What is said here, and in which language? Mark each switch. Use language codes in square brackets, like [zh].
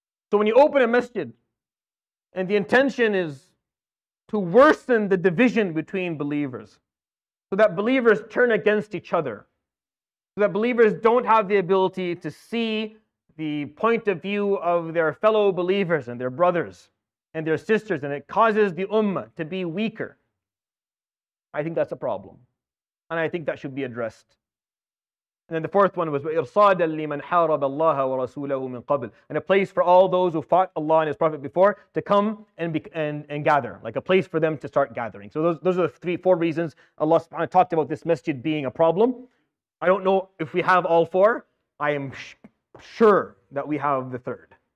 [en] So when you open a masjid and the intention is to worsen the division between believers, so that believers turn against each other, so that believers don't have the ability to see the point of view of their fellow believers and their brothers and their sisters, and it causes the ummah to be weaker, I think that's a problem. And I think that should be addressed. And then the fourth one was [ar] وَإِرْصَادًا لِمَنْ حَارَبَ اللَّهَ وَرَسُولَهُ مِنْ قَبْلٍ. [en] And a place for all those who fought Allah and His Prophet before to come and gather. Like a place for them to start gathering. So those are the three, four reasons Allah subhanahu wa ta'ala talked about this masjid being a problem. I don't know if we have all four. I am sure that we have the third.